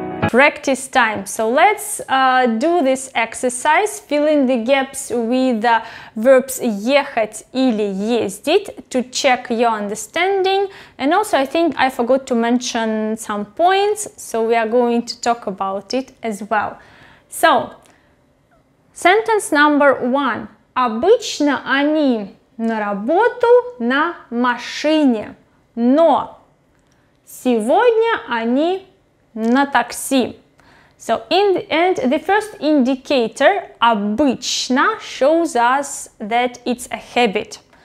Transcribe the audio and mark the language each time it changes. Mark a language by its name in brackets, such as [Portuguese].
[English] Practice time. So let's do this exercise, fill in the gaps with the verbs ехать или ездить to check your understanding. And also I think I forgot to mention some points, so we are going to talk about it as well. So, sentence number one. [Russian] Обычно они на работу на машине, но сегодня они на такси. [English] So in the end, the first indicator, обычно, shows us that it's a habit.